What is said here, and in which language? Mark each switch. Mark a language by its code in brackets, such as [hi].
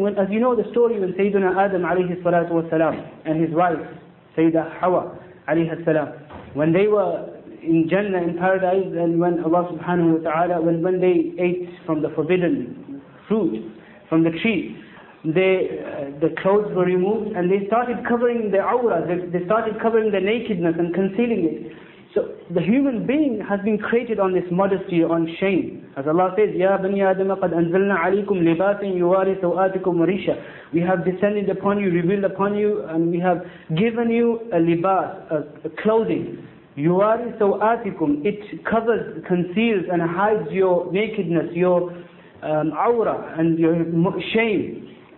[en] When, as you know, the story when Sayyidina Adam alayhi salatu wa salam and his wife Sayyida Hawa alayhi salam, when they were in Jannah, in paradise, and when Allah subhanahu wa ta'ala, when they ate from the forbidden fruit from the tree, the clothes were removed and they started covering the awrah, they started covering the nakedness and concealing it. So the human being has been created on this modesty, on shame. As Allah says, [ar] يَا بَنِيَ آدَمَ قَدْ أَنزَلْنَا عَلَيْكُمْ لِبَاسٍ يُوَارِي سَوْآتِكُمْ وَرِيشًا. [en] We have descended upon you, revealed upon you, and we have given you a libas, a clothing. [ar] يُوَارِي سَوْآتِكُمْ. [en] It covers, conceals and hides your nakedness, your awrah and your shame.